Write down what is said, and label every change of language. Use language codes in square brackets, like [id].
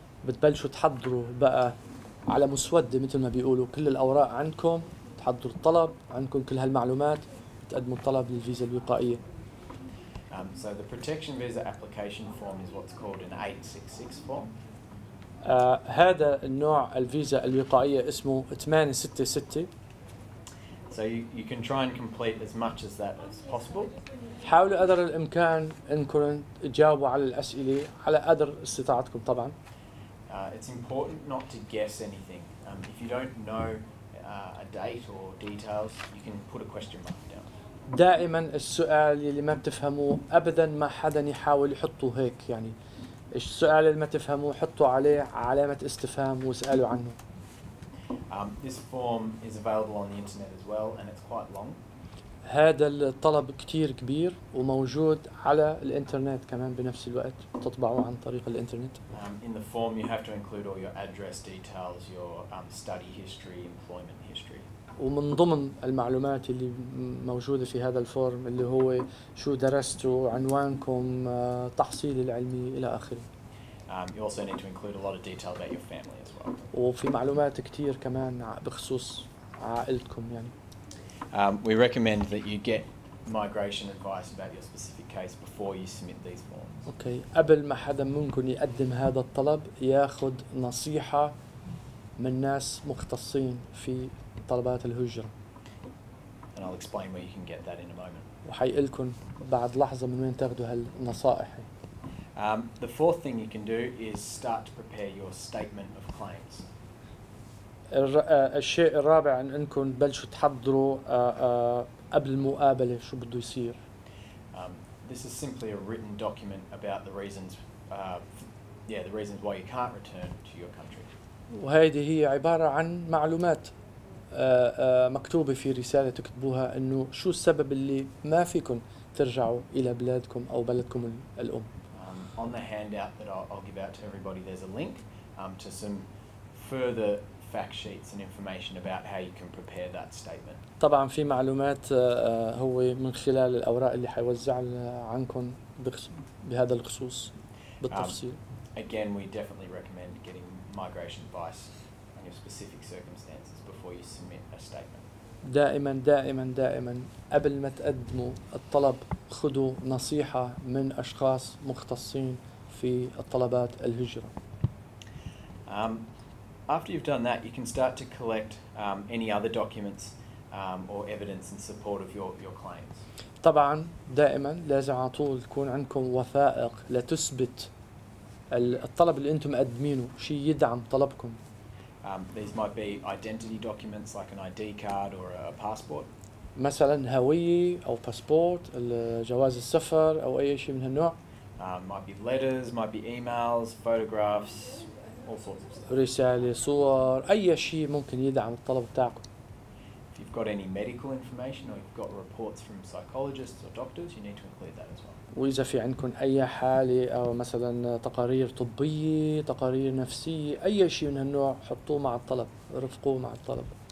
[ar] بتبلشوا تحضروا بقى على مسودة مثل ما بيقولوا كل الأوراق عندكم تحضروا الطلب عندكم كل هالمعلومات تقدموا الطلب للفيزا الوقائية. [en] So the protection visa application form is what's called an 866 form. [ar] هذا النوع الفيزا الوقائية اسمه 866. [en] So you can try and complete as much as that as possible. [ar] حاولوا قدر الإمكان أنكم تجاوبوا على الأسئلة على قدر استطاعتكم طبعاً. [en] It's important not to guess anything. If you don't know a date or details, you can put a question mark. [ar] دائما السؤال اللي ما بتفهموه ابدا ما حدا يحاول يحطه هيك يعني السؤال اللي ما تفهموه حطوا عليه علامه استفهام واسالوا عنه [en] This form is available on the internet as well and it's quite long [ar] هذا الطلب كتير كبير وموجود على الانترنت كمان بنفس الوقت تطبعوه عن طريق الانترنت [en] In the form you have to include all your address details your study history employment history [ar] ومن ضمن المعلومات اللي موجودة في هذا الفورم اللي هو شو درستوا عنوانكم تحصيل العلمي إلى آخره. [en] You also need to include a lot of detail about your family as well. [ar] وفي معلومات كتير كمان بخصوص عائلتكم يعني. [en] We recommend that you get migration advice about your specific case before you submit these forms. Okay. [ar] قبل ما حدا ممكن يقدم هذا الطلب ياخذ نصيحة من ناس مختصين في طلبات الهجرة. [en] And I'll explain where you can get that in a moment. [ar] وحيقلكن بعد لحظة من وين تاخدوا هالنصائح. [en] The fourth thing you can do is start to prepare your statement of claims. [ar] الشيء الرابع إن أنكن بلشوا تحضروا قبل المقابلة شو بدو يصير. [en] This is simply a written document about the reasons, the reasons why you can't return to your country. [ar] وهذه هي عبارة عن معلومات. مكتوبة في رسالة تكتبوها إنه شو السبب اللي ما فيكن ترجعوا إلى بلادكم أو بلدكم الأم. [en] On the handout that I'll give out to everybody, there's a link to some further fact sheets and information about how you can prepare that statement. [ar] طبعاً في معلومات هو من خلال الأوراق اللي حيوزع عنكم بهذا الخصوص بالتفصيل. [en] Again, we definitely recommend getting migration advice on your specific circumstances. Before you submit a statement. [ar] دائما دائما دائما قبل ما تقدموا الطلب خذوا نصيحة من أشخاص مختصين في الطلبات الهجرة. [en] After you've done that, you can start to collect any other documents or evidence in support of your claims. [ar] طبعا دائما لازم على طول يكون عندكم وثائق لتثبت الطلب اللي أنتم مقدمينه شيء يدعم طلبكم. [en] These might be identity documents like an ID card or a passport. [ar] مثلا هوية أو باسبورت، جواز السفر أو أي شيء من هالنوع. [en] Might be letters, might be emails, photographs, all sorts of stuff. [ar] رسالة، صور، أي شيء ممكن يدعم الطلب بتاعكم. [en] If you've got any medical information or you've got reports from psychologists or doctors, you need to include that as well. [ar] وإذا في عندكم أي حالة أو مثلا تقارير طبية تقارير نفسية أي شيء من هالنوع حطوه مع الطلب رفقوه مع الطلب